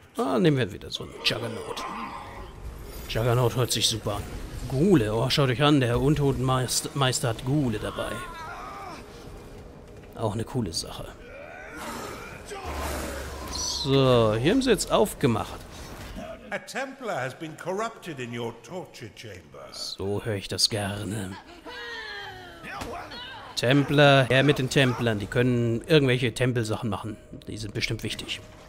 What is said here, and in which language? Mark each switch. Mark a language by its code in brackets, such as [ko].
[de] Ah, nehmen wir wieder so einen Juggernaut. Juggernaut hört sich super an. Ghule, oh, schaut euch an, der Untotenmeister hat Ghule dabei. Auch eine coole Sache. So, hier haben sie jetzt aufgemacht. [en] A Templar has been corrupted in your torture chamber. [de] So höre ich das gerne. Templar, her mit den Templern. Die können irgendwelche Tempelsachen machen. Die sind bestimmt wichtig.